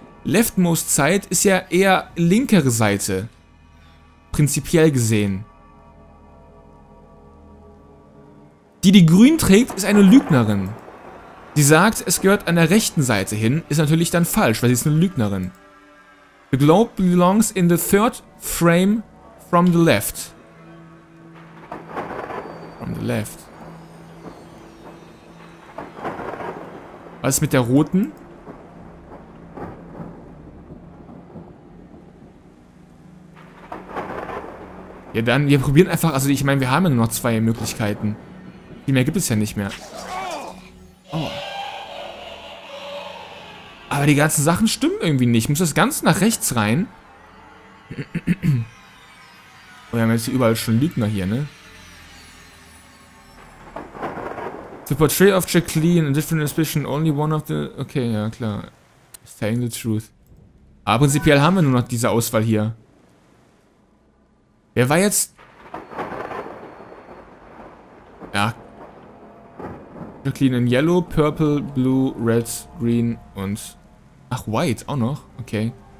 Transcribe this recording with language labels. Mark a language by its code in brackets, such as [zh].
[de] Leftmost side ist ja eher linkere Seite, prinzipiell gesehen. Die grün trägt, ist eine Lügnerin. Die sagt, es gehört an der rechten Seite hin, ist natürlich dann falsch, weil sie ist eine Lügnerin. [en] The globe belongs in the third frame from the left. From the left. [de] Was ist mit der roten? Ja, dann, wir probieren einfach, also ich meine, wir haben ja nur noch zwei Möglichkeiten. Viel mehr gibt es ja nicht mehr. Oh. Aber die ganzen Sachen stimmen irgendwie nicht. Ich muss das Ganze nach rechts rein. Oh, wir haben jetzt überall schon Lügner hier, ne? [en] The portrait of Jacqueline, a different inscription, only one of the... Okay, ja, klar. It's telling the truth. [de] Aber prinzipiell haben wir nur noch diese Auswahl hier. Wer war jetzt... [en] Ja. Jacqueline in yellow, purple, blue, red, green und... Ach, white auch noch. Okay.